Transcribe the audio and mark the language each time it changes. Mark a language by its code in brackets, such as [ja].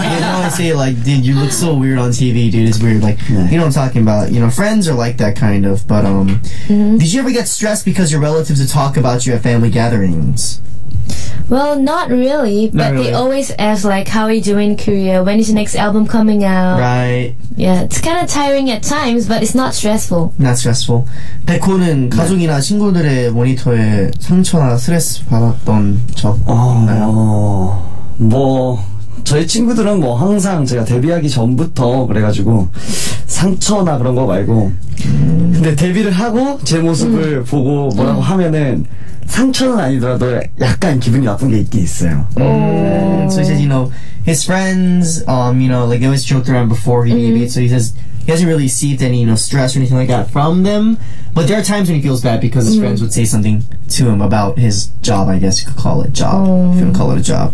[en] You know, I say, like, dude, you look so weird on TV, dude, it's weird, like, you know what I'm talking about, you know, friends are like that kind of, but, did you ever get stressed because your relatives would talk about you at family gatherings? Well, not really, but not really. They always ask, like, how are you doing in Korea? When is your next album coming out? Right. Yeah, it's kind of tiring at times, but it's not stressful. Not stressful. [ko] 백호는 가족이나 친구들의 모니터에 상처나 스트레스 받았던 적 없나요? 뭐, 저희 친구들은 뭐 항상 제가 데뷔하기 전부터 그래가지고 상처나 그런 거 말고 근데 데뷔를 하고 제 모습을 보고 뭐라고 하면은 상처는 아니더라도 약간 기분이 나쁜 게 있긴 있어요. [en] So he says, you know, his friends, you know, like, they always joked around before he debuted. So he says he hasn't really received any, you know, stress or anything like that from them. But there are times when he feels bad because his friends would say something to him about his job, I guess you could call it job. If you don't call it a job.